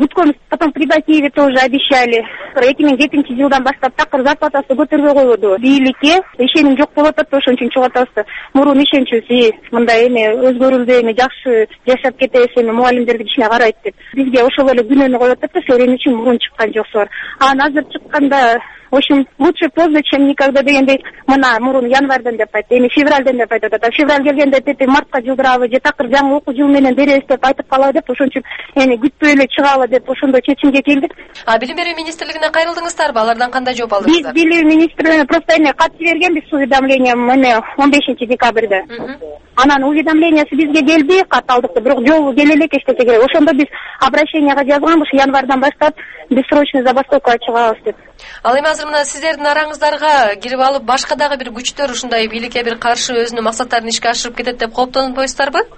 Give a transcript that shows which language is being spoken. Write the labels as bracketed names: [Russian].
[Kyrgyz] Күткөнбүз, [Russian] потом при Батиеве тоже обещали. [Kyrgyz] 2007-жылда баштап такыр зарплатасы көтөрбөй койбоду. Бийликке ишеним жок болуп атат да, ошон үчүн чыгып атабыз да. Мурун ишенчүбүз, мындай эме өзгөрүлдү, эме жакшы жашап кетебиз, эме мугалимдердин ишине карайт деп бизге ошол эле күнөнү коюп атат да, силер эмне үчүн мурун чыккан жоксуңар. Анан азыр чыкканда [Russian] в общем лучше поздно чем никогда [Kyrgyz] дегендей, мына мурун январдан деп айтты, эми февралден деп айтып атат. А февраль келгенде тети мартка жылдырабы же такыр жаңы окуу жылы менен беребиз деп айтып калабы деп, ошон үчүн эми күтпөй эле чыгалы деп ошондой чечимге келдик. А билим берүү министрлигине кайрылдыңыздарбы? Алардан кандай жооп алдыңыздар? Биз билим министрлигине просто эме кат жибергенбиз [Russian] с уведомлением [Kyrgyz] эме 15 декабрда. Анан уведомлениясы бизге келди, кат алдыкты, бирок жолу келе элек эчтеке керек. Ошондо биз обращенияга жазганбыз, январдан баштап бессрочный забастовкага чыгабыз деп. Ал эми азыр мына сиздердин араңыздарга кирип алып башка дагы бир күчтөр ушундай бийликке бир каршы өзүнүн максаттарын ишке ашырып кетет деп кооптонбойсуздарбы?